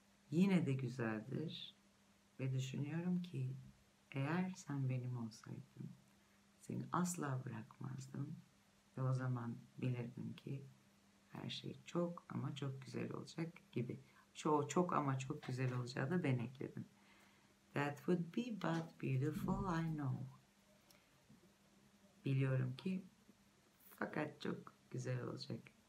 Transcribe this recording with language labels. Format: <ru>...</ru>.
<tr>Yine de güzeldir. Ve düşünüyorum ki eğer sen benim olsaydın seni asla bırakmazdım. Ve o zaman bilirdim ki her şey çok ama çok güzel olacak gibi. Çoğu çok ama çok güzel olacağı da ben ekledim.</tr> <en>That would be but beautiful, I know.</en> <tr>Biliyorum ki fakat çok güzel olacak.</tr>